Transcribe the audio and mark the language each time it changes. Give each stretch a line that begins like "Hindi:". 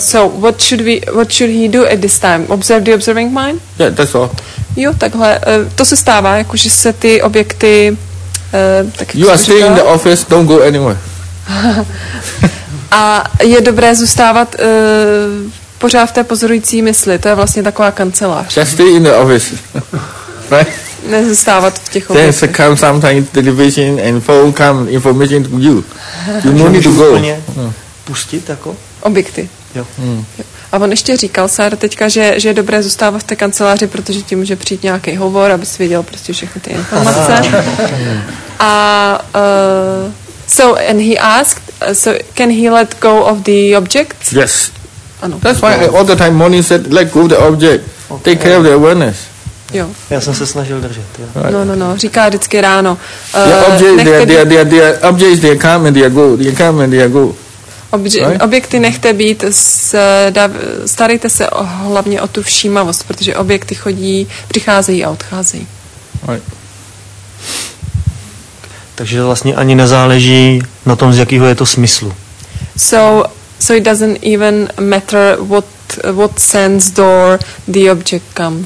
English: So what should he do at this time? Observe the observing mind? Yeah, that's all.
Czech: Jo, takhle, to se stává, jakože se ty objekty
English: tak you are staying in the office, don't go anywhere.
Czech: A je dobré zůstávat pořád v té pozorující mysli. To je vlastně taková kancelář.
English: Just stay in the office. Right?
Czech: Nezůstávat v těch obětech.
English: There's come sometimes television and phone come information to you. You don't need to go.
Czech: Pustit jako? Objekty. Jo. A on ještě říkal, Sára, teďka, že je dobré zůstávat v té kanceláři, protože ti může přijít nějaký hovor, abys věděl prostě všechny ty informace.
English: And he asked, so can he let go of the objects? Yes.
Czech: Ano.
English: That's why I all the time morning said, let go of the object. Okay. Take care of the awareness.
Czech: Jo. Já jsem se snažil držet. Jo. No, říká vždycky ráno.
English: The objects, they come and they go.
Czech: Objekty nechte být, starejte se hlavně o tu všímavost, protože objekty chodí, přicházejí a odcházejí. Takže vlastně ani nezáleží na tom, z jakého je to smyslu.
English: So it doesn't even matter what sense door the object comes.